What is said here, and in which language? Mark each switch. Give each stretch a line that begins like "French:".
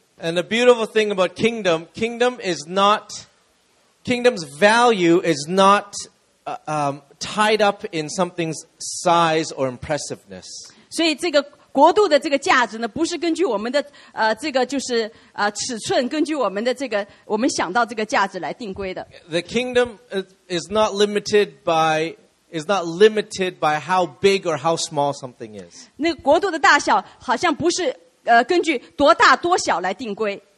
English: And the beautiful thing about kingdom's value is not tied up in something's size or impressiveness.
Chinese: 所以这个国度的这个价值呢，不是根据我们的尺寸，根据我们想到这个价值来定规的.
English: The kingdom is not limited by how big or how small something is.
Chinese: 那国度的大小好像不是根据多大多小来定规.